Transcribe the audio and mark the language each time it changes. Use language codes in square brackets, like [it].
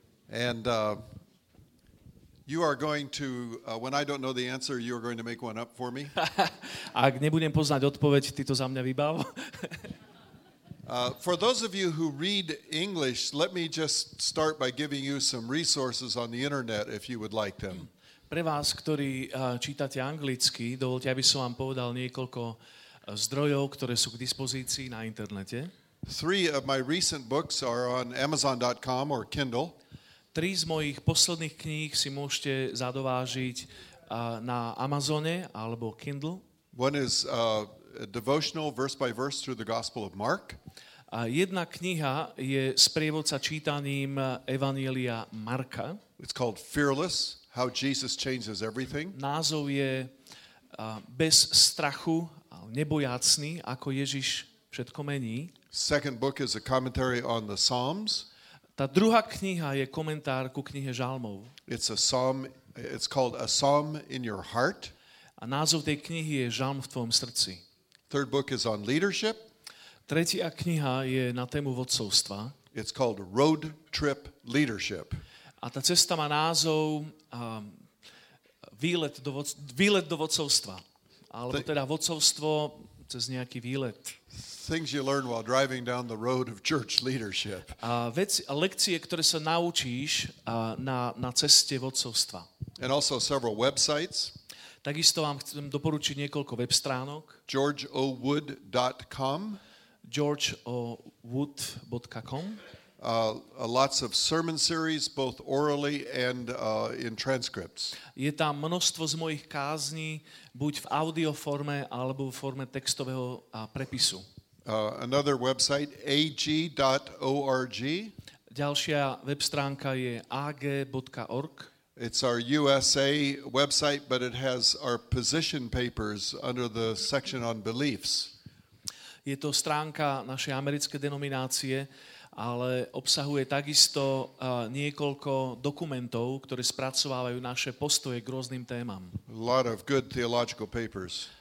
[en] And you are going to when I don't know the answer, you are going to make one up for me. [sk] Ak nebudem poznať odpoveď, ty to za mňa vybav. [en] For those of you who read English, let me just start by giving you some resources on the internet if you would like them. [sk] Pre vás, ktorí čítate anglicky, dovolte, aby som vám povedal niekoľko zdrojov, ktoré sú k dispozícii na internete. [en] Three of my recent books are on Amazon.com or Kindle. [sk] Tri z mojich posledných kníh si môžete zadovážiť na Amazone alebo Kindle. [en] One is a devotional verse by verse through the Gospel of Mark. [sk] A jedna kniha je sprievodca čítaním Evanjelia Marka. [en] It's called Fearless. How Jesus changes everything. [sk] Názov je bez strachu, nebojácný, ako Ježiš všetko mení. [en] Second book is a commentary on the Psalms. [sk] Tá druhá kniha je komentár ku knihe Žalmov. [en] It's a psalm, it's called A Psalm in Your Heart. [sk] A názov tej knihy je Žalm v tvojom srdci. [en] Third book is on leadership. [sk] Tretia kniha je na tému vodcovstva. [en] It's called Road Trip Leadership. [sk] A tá cesta má názov výlet do vodcovstva. Alebo teda vodcovstvo cez nejaký výlet. [en] Things you learn while driving down the road of church leadership. [sk] Lekcie, ktoré sa naučíš na ceste vodcovstva. [en] And also several websites. [sk] Takisto vám chcem doporučiť niekoľko web stránok. [en] georgeowood.com georgeowood.com lots of sermon series both orally and in transcripts. [sk] Je tam množstvo z mojich kázní, buď v audio forme alebo v forme textového prepisu. [en] Another website ag.org. [sk] Ďalšia web stránka je ag.org. [en] It's our USA website, but it has our position papers under the section on beliefs. [sk] Je to stránka našej americkej denominácie, ale obsahuje takisto niekoľko dokumentov, ktoré spracovávajú naše postoje k rôznym témam. [en] A lot of good theological papers.